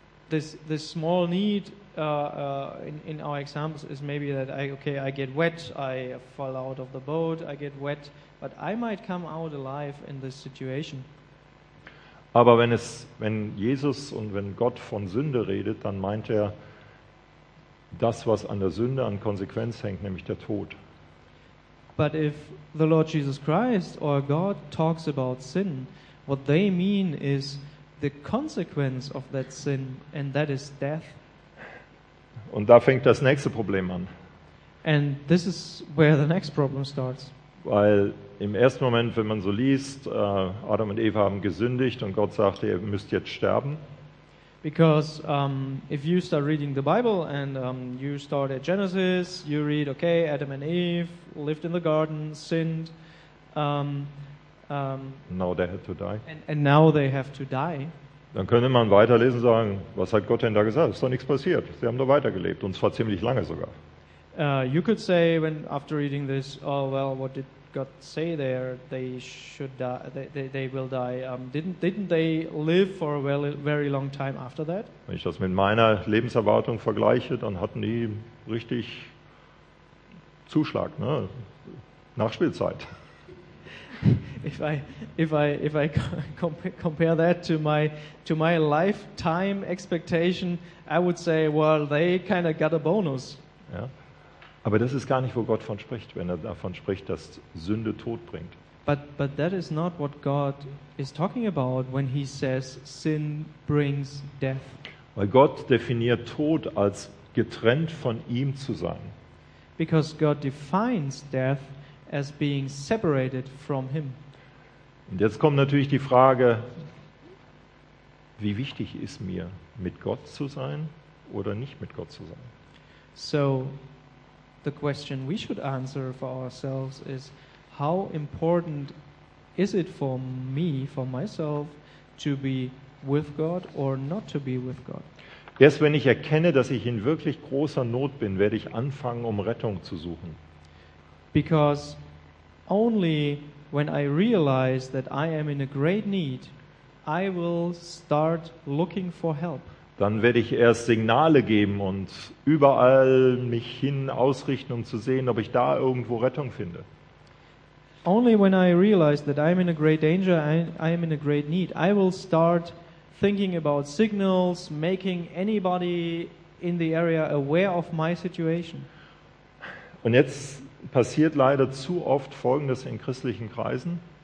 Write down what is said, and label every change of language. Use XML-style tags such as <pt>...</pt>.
<en>This small need in our examples is maybe that I get wet, I fall out of the boat, I get wet, but I might come out alive in this situation.</en> <de>Aber wenn Jesus und wenn Gott von Sünde redet, dann meint er das, was an der Sünde an Konsequenz hängt, nämlich der Tod.</de> <en>But if the Lord Jesus Christ or God talks about sin, what they mean is the consequence of that sin, and that is death.</en> <de>Und da fängt das nächste Problem an.</de> <en>And this is where the next problem starts.</en> <de>Weil im ersten Moment, wenn man so liest, Adam und Eva haben gesündigt und Gott sagte, ihr müsst jetzt sterben.</de> <en>Because if you start reading the Bible and you start at Genesis, you read, okay, Adam and Eve lived in the garden, sinned. Now they have to die. And now they have to die.</en> <de>Dann könnte man weiterlesen und sagen, was hat Gott denn da gesagt? Es ist doch nichts passiert. Sie haben doch weitergelebt und zwar ziemlich lange sogar.</de> <en>You could say, when after reading this, oh well, what did God say there? They should die. They will die. Didn't they live for a very long time after that?</en> <de>Wenn ich das mit meiner Lebenserwartung vergleiche, dann hatten die richtig Zuschlag, ne? Nachspielzeit.</de> <en>If I compare that to my lifetime expectation, I would say, well, they kind of got a bonus.</en> <de>Ja. Aber das ist gar nicht, wo Gott von spricht, wenn er davon spricht, dass Sünde Tod bringt.</de> <en>But that is not what God is talking about when he says sin brings death.</en> <de>Weil Gott definiert Tod als getrennt von ihm zu sein.</de> <en>Because God defines death as being separated from him.</en> <de>Und jetzt kommt natürlich die Frage, wie wichtig ist mir, mit Gott zu sein oder nicht mit Gott zu sein?</de> <en>So the question we should answer for ourselves is, how important is it for me, for myself, to be with God or not to be with God?</en> <de>Erst wenn ich erkenne, dass ich in wirklich großer Not bin, werde ich anfangen, um Rettung zu suchen.</de> <en>Because only when I realize that I am in a great need, I will start looking for help.</en> <de>Dann werde ich erst Signale geben und überall mich hin ausrichten, um zu sehen, ob ich da irgendwo Rettung finde.</de> <en>Only when I realize that I am in a great danger, I am in a great need, I will start thinking about signals, making anybody in the area aware of my situation.</en> <de>Und jetzt passiert leider zu oft Folgendes in christlichen Kreisen.</de>